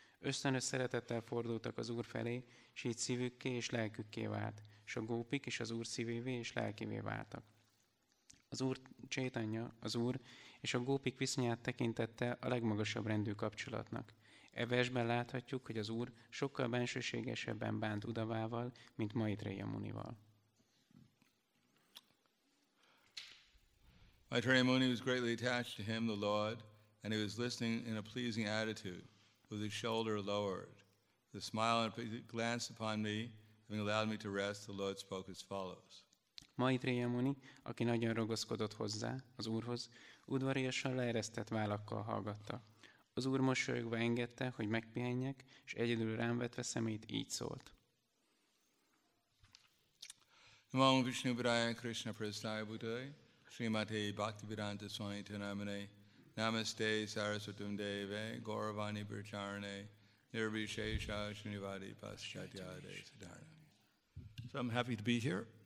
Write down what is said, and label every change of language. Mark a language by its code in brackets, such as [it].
[hu] Ösztönös szeretettel fordultak az Úr felé, s így szívükké és lelkükké vált, és a gópik is az Úr szívévé és lelkévé váltak. Az Úr Chaitanya, az Úr és a gópik viszonyát tekintette a legmagasabb rendű kapcsolatnak. E versben láthatjuk, hogy az Úr sokkal bensőségesebben bánt Uddhavával, mint Maitreya Munival. [en] Maitreya Muni was greatly attached to him, the Lord, and he was listening in a pleasing attitude, with his shoulder lowered, The smile and glance upon me, having allowed me to rest, the Lord spoke as follows. [hu] Maitreya Muni, aki nagyon ragaszkodott hozzá, az Úrhoz, udvariasan leeresztett vállakkal hallgatta. Az Úr mosolyogva engedte, hogy megpihenjek, és egyedül rám vetve szemét így szólt. [sa] Namo Vishnu Padaya Krishna Prasthaya Buddhaya, Srimate Bhaktivedanta Swami Tanamane, Namaste Sarasvatam Deve, Gauravani Bhrcharane, Nirvishesha Shunivadi Paschatyade Siddharna. [en] So I'm happy to be here.